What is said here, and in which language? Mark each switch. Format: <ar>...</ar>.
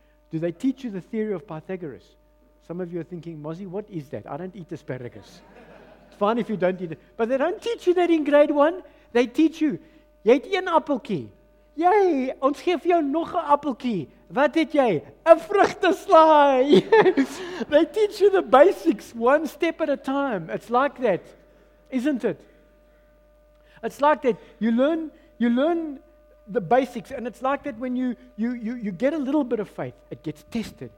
<en>Do they teach you the theory of Pythagoras? Some of you are thinking, Mozzie, what is that? I don't eat asparagus. It's fine if you don't eat it. But they don't teach you that in grade one. They teach you,</en> <af>jy het een appelkie. Jy, ons geef jou nog een appelkie. Wat het jy? Een vruchteslaai.</af> <en>They teach you the basics one step at a time. It's like that, isn't it? It's like that. You learn the basics, and it's like that when you get a little bit of faith, it gets tested.</en>